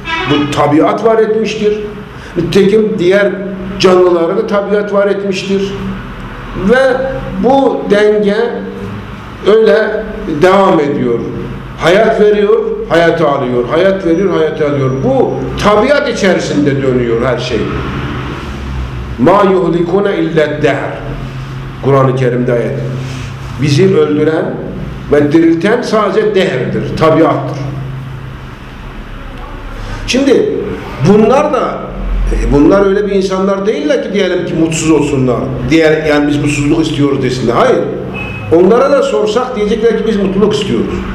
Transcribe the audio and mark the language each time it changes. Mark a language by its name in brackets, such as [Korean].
[Turkish] Bu tabiat var etmiştir. Nitekim diğer canlıları da tabiat var etmiştir. Ve bu denge öyle devam ediyor. Hayat veriyor, hayatı alıyor. Hayat veriyor, hayatı alıyor. Bu tabiat içerisinde dönüyor her şey. [Arabic] مَا يُحْلِكُونَ اِلَّا الدَّهَرْ [Turkish] Kur'an-ı Kerim'de ayet. Bizi öldüren ve dirilten sadece dehirdir, tabiattır. Şimdi bunlar da, bunlar öyle bir insanlar değiller ki diyelim ki mutsuz olsunlar. Diğer, yani biz mutsuzluk istiyoruz desinler. Hayır. Onlara da sorsak diyecekler ki biz mutluluk istiyoruz.